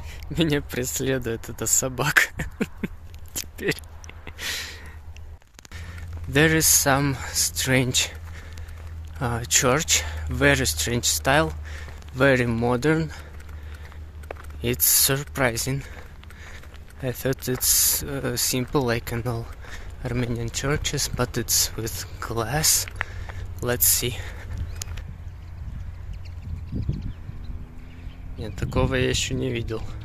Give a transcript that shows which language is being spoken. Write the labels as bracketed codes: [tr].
[ru] Меня преследует эта собака. [en] There is some strange church, very strange style, very modern. It's surprising. I thought it's simple like an old Armenian churches, but it's with glass. Let's see. [ru] Нет, такого я еще не видел.